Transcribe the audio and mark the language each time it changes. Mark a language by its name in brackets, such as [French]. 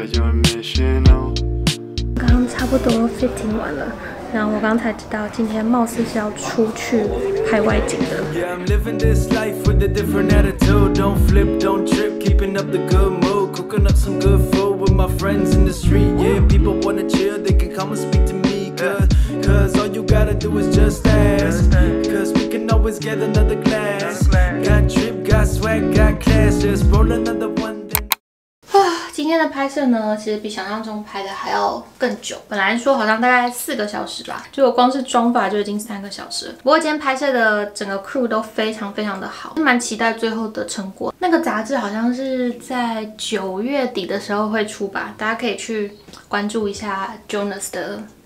[Chinese] 刚差不多 fitting 完了，然后我刚才知道今天貌似是要出去拍外景的。 [English] Yeah, I'm living this life with a different attitude. Don't flip, don't trip, keeping up the good mood. Cooking up some good food with my friends in the street. Yeah, people wanna chill, they can come and speak to me. Cause all you gotta do is just ask. Cause we can always get another glass. Got trip, got swag, got class. Just roll another one. [Chinese] 今天的拍摄呢，其实比想象中拍的还要更久。本来说好像大概四个小时吧，结果光是妆发就已经三个小时了。不过今天拍摄的整个 crew 都非常非常的好，蛮期待最后的成果。那个杂志好像是在9月底的时候会出吧，大家可以去关注一下 Jonas 的